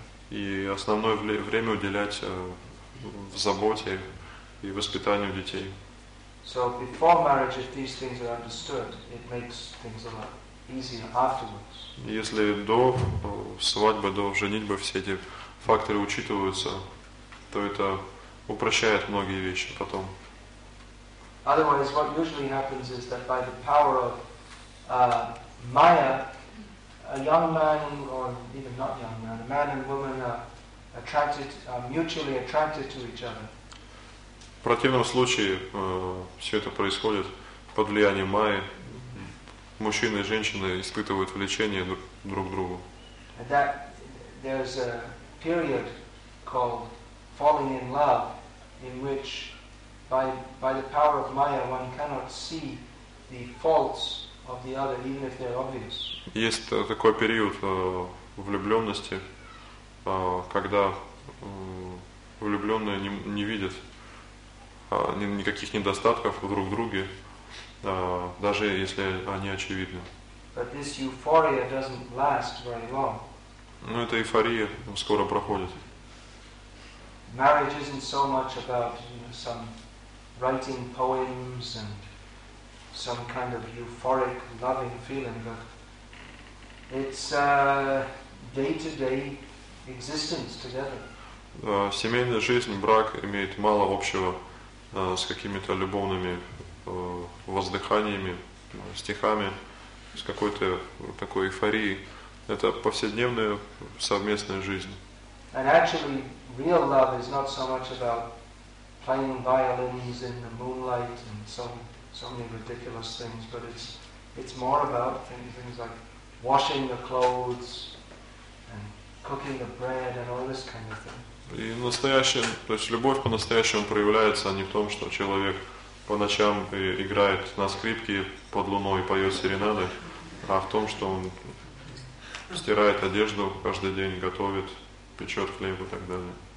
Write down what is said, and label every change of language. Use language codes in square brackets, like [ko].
[ru] И основное время уделять в заботе и воспитанию детей. [en] So before marriage, if these things are understood, it makes things a lot easier afterwards. [ru] Если до свадьбы, до женитьбы все эти факторы учитываются, то это упрощает многие вещи потом. [en] Otherwise, what usually happens is that by the power of Maya, a young man or even not young man, a man and woman are mutually attracted to each other. [ru] В противном случае все это происходит под влиянием Майи. Мужчины и женщины испытывают влечение друг к другу. [en] And that there's a period called falling in love, in which by the power of Maya one cannot see the faults. Of the other, even if they're obvious. [ru] Есть такой период влюбленности, когда влюбленные не видят никаких недостатков друг в друге, даже если они очевидны. [en] But this euphoria doesn't last very long. [ru] Но эта эйфория скоро проходит. [en] Marriage isn't so much about, you know, some writing poems and some kind of euphoric loving feeling, but it's day-to-day existence together. [ru] Семейная жизнь, брак имеет мало общего с какими-то любовными воздыханиями, стихами, с какой-то такой эйфорией. Это повседневная совместная жизнь. [en] And actually, real love is not so much about playing violins in the moonlight and so many ridiculous things, but it's more about things like washing the clothes and cooking the bread and all this kind of thing. [ru] И настоящая, то есть любовь по-настоящему проявляется не в том, что человек по ночам играет на скрипке под луной, поет серенады, а в том, что он стирает одежду каждый день, готовит, печет хлеб и так далее.